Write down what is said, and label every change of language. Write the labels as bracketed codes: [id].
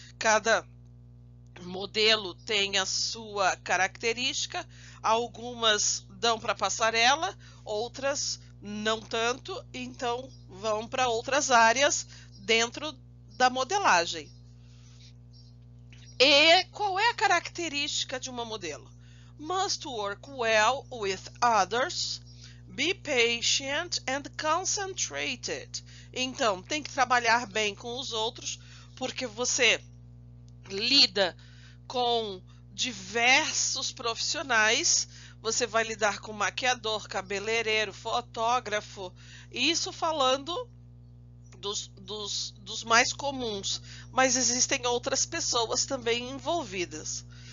[pt] Cada modelo tem a sua característica. Algumas dão para passarela, outras não tanto, então vão para outras áreas dentro da modelagem. E qual é a característica de uma modelo? [en] Must work well with others, be patient and concentrated. [pt] Então, tem que trabalhar bem com os outros, porque você lida com diversos profissionais. Você vai lidar com maquiador, cabeleireiro, fotógrafo, isso falando dos mais comuns, mas existem outras pessoas também envolvidas.